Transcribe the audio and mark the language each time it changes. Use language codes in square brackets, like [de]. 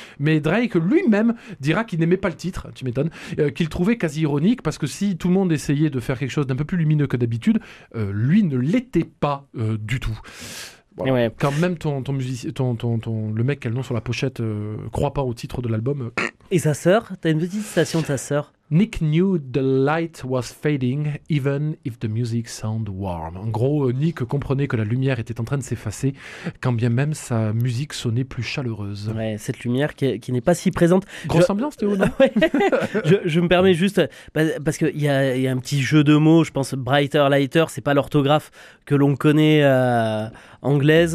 [fr] Mais Drake lui-même dira qu'il n'aimait pas le titre, tu m'étonnes, qu'il trouvait quasi ironique parce que si tout le monde essayait de faire quelque chose d'un peu plus lumineux que d'habitude, lui ne l'était pas du tout. Voilà. Ouais. Quand même le mec qui a le nom sur la pochette croit pas au titre de l'album. Et sa sœur, t'as une petite citation de sa sœur. [en] Nick knew the light was fading, even if the music sounded warm. [fr] En gros, Nick comprenait que la lumière était en train de s'effacer, quand bien même sa musique sonnait plus chaleureuse. Ouais, cette lumière qui n'est pas si présente. Grosse ambiance, Théo, non? je me permets juste, parce qu'il y a un petit jeu de mots, je pense, brighter, lighter, c'est pas l'orthographe que l'on connaît anglaise.